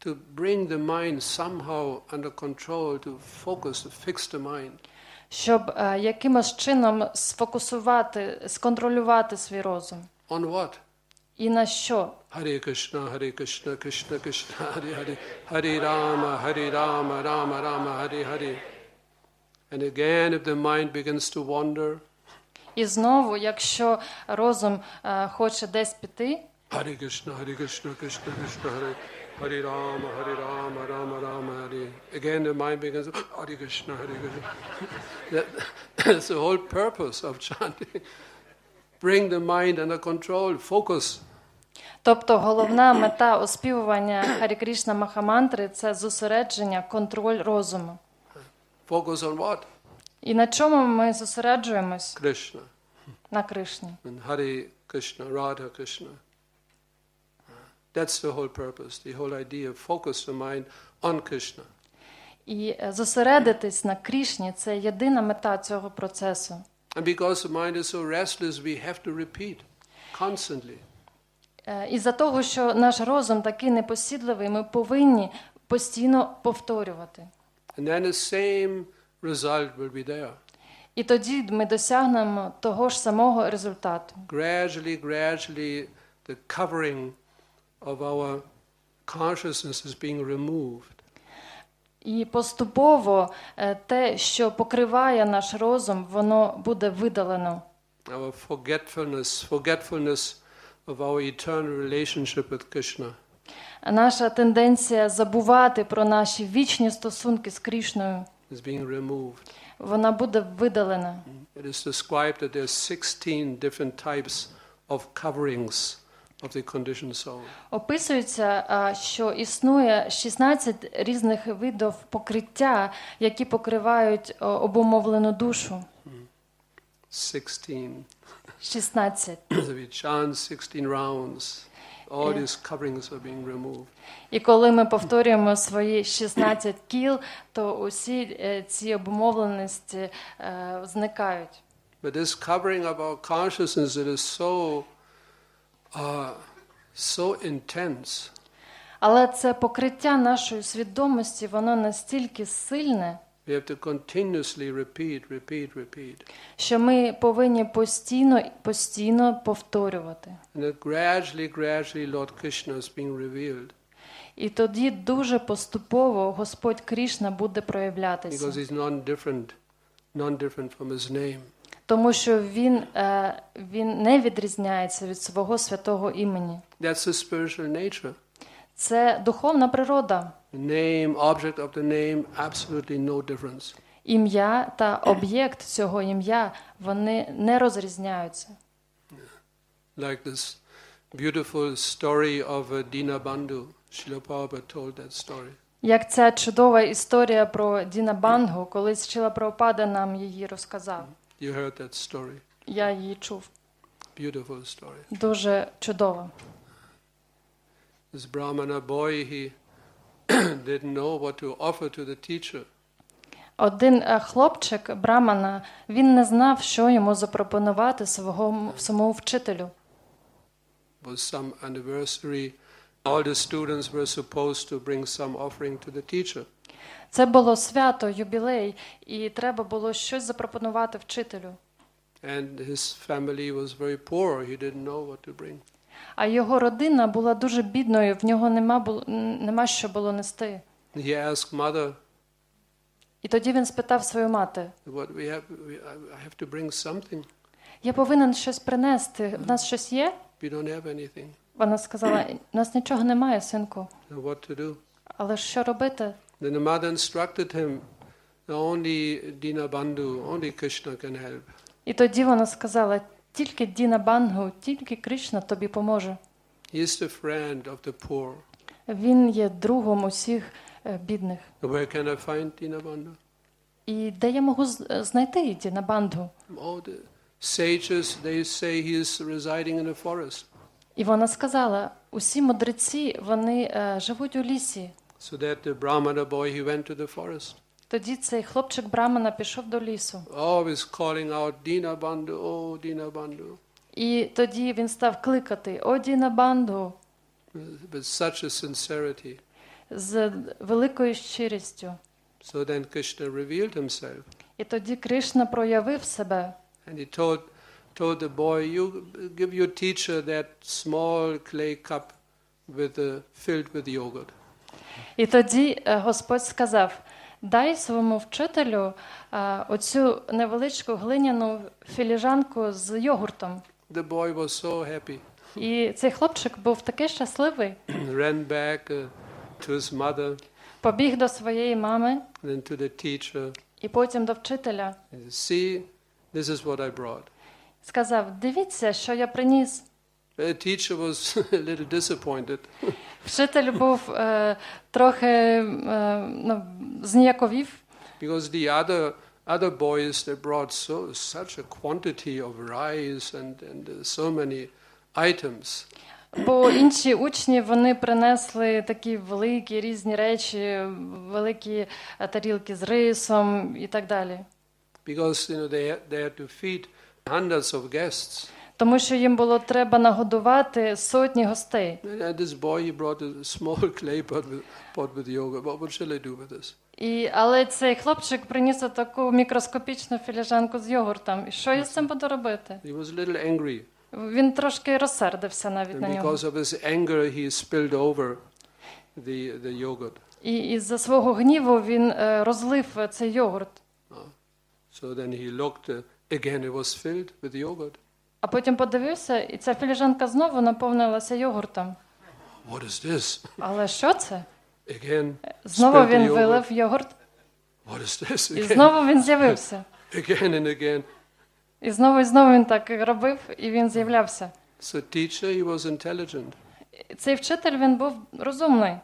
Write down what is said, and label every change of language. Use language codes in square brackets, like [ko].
[en] To bring the mind somehow under control, to focus, to fix the mind. [uk] Щоб якимось чином сфокусувати, сконтролювати свій розум. [en] On what? [uk] І на що? [sa] Харе Кришна, Харе Кришна, Кришна Кришна, Харе Харе. Харе Рама, Рама Рама, Харе Харе. [en] And again, if the mind begins to wander. [uk] І знову, якщо розум хоче десь піти. [sa] Харе Кришна, Харе Кришна, Кришна Кришна, Харе. Харе Рама, Харе Рама, Рама Рама, Харе. [en] Again, the mind begins, [sa] Харе Кришна, Харе Кришна. [en] That's the whole purpose of chanting. Bring the mind under control, focus. [uk] Тобто головна мета оспівування Харе Кришна Махамантри – це зосередження, контроль розуму. [en] Focus on what? [uk] І на чому ми зосереджуємось? [en] Кришна. [uk] На Кришні. [sa] And Харе Кришна, Радха Кришна. [en] That's the whole purpose, the whole idea of focus the mind on Krishna. [uk] І зосередитись на Кришні – це єдина мета цього процесу. [en] And because the mind is so restless, we have to repeat constantly. [uk] Із-за того, що наш розум такий непосідливий, ми повинні постійно повторювати. [en] And then the same result will be there. [uk] І тоді ми досягнемо того ж самого результату. [en] Gradually, gradually, the covering of our consciousness is being removed. [uk] І поступово те, що покриває наш розум, воно буде видалено. [en] Our forgetfulness, forgetfulness of our eternal relationship with Krishna. [uk] Наша тенденція забувати про наші вічні стосунки з Кришною. [en] Is being removed. [uk] Вона буде видалена. [en] It is described that there are 16 different types of coverings of the conditioned soul. [uk] Описується, що існує 16 різних видів покриття, які покривають обумовлену душу. [en] 16. [uk] 16. [en] So we chant 16 rounds. All these coverings are being removed. [uk] І коли ми повторюємо свої 16 кіл, то усі ці обумовленості зникають. [en] But this covering of our consciousness, it is so so intense. [uk] Але це покриття нашої свідомості, воно настільки сильне. [en] We have to continuously repeat, repeat, repeat. [uk] Що ми повинні постійно, постійно повторювати. [en] And gradually, gradually Lord Krishna is being revealed. [uk] І тоді дуже поступово Господь Кришна буде проявлятися. [en] Because he's non-different from his name. [uk] Тому що він не відрізняється від свого святого імені. [en] That's the spiritual nature. [uk] Це духовна природа. [en] Name, object of the name, absolutely no difference. [uk] Ім'я та об'єкт цього ім'я, вони не розрізняються. [en] Like this beautiful story of Dinabandhu. Srila Prabhupada told that story. [uk] Як ця чудова історія про Дінабандгу, коли Шріла Прабхупада нам її розказав. [en] You heard that story. [uk] Я її чув. [en] Beautiful story. [uk] Дуже чудова. [en] This brahmana boy, he didn't know what to offer to the teacher. [uk] Один хлопчик, брамана, він не знав, що йому запропонувати своєму вчителю. [en] Was some anniversary. All the students were supposed to bring some offering to the teacher. [uk] Це було свято, юбілей, і треба було щось запропонувати вчителю. [en] And his family was very poor, he didn't know what to bring. [uk] А його родина була дуже бідною, в нього нема що було нести. [en] He asked mother. [uk] І тоді він спитав свою мати. [en] What we have, I have to bring something. [uk] Я повинен щось принести. В нас щось є? [en] We don't have anything. [uk] Вона сказала: "У нас нічого немає, синку". [en] What to do? [uk] Але що робити? [en] Then the mother instructed him, only Dinabandhu, only Krishna can help. [uk] І тоді вона сказала: "Тільки Дінабандгу, тільки Кришна тобі поможе". [en] He is the friend of the poor. [uk] Він є другом усіх бідних. [en] Where can I find Dinabandhu? [uk] І де я можу знайти Дінабандгу? [en] All the sages, they say he is residing in a forest. [uk] І вона сказала: "Усі мудреці, вони живуть у лісі". [en] So that the brahmana boy, he went to the forest. [uk] Тоді цей хлопчик брамана пішов до лісу. [en] Always calling out Dinabandhu, oh Dinabandhu. [uk] І тоді він став кликати: "О Дінабандхо". [en] With such a sincerity. [uk] З великою щирістю. [en] So then Krishna revealed himself. [uk] І тоді Кришна проявив себе. [en] And he told the boy, "You give your teacher that small clay cup filled with yogurt." [uk] І тоді Господь сказав: "Дай своєму вчителю оцю невеличку глиняну філіжанку з йогуртом". [en] The boy was so happy. [uk] І цей хлопчик був такий щасливий. [en] Ran back to his mother. [uk] Побіг до своєї мами. [en] Then to the teacher. [uk] І потім до вчителя. [en] See, this is what I brought. [uk] Сказав: "Дивіться, що я приніс". [en] The teacher was a little disappointed. [uk] Вчитель був трохи зніяковів. [en] Because the other boys, they brought such a quantity of rice and so many items. [uk] Бо інші учні, вони принесли такі великі різні речі, великі тарілки з рисом і так далі. [en] Because they had to feed hundreds of guests. [uk] Тому що їм було треба нагодувати сотні гостей. [en] And this boy, he brought a small clay pot with yogurt. What shall I do with this? [uk] Але цей хлопчик приніс таку мікроскопічну філіжанку з йогуртом. І що я з цим буду робити? [en] He was a little angry. [uk] Він трошки розсердився навіть на нього. [en] Because of his anger, he spilled over the yogurt. [uk] І із-за свого гніву він розлив цей йогурт. [en] So then he looked again, it was filled with yogurt. [uk] А потім подивився, і ця філіжанка знову наповнилася йогуртом. [en] What is this? [uk] Але що це? [en] Again, [uk] знову він вилив йогурт. [en] What is this? [uk] І знову він з'явився. [en] Again and again. [uk] І знову він так робив, і він з'являвся. [en] So teacher, he was intelligent. [uk] Цей вчитель, він був розумний.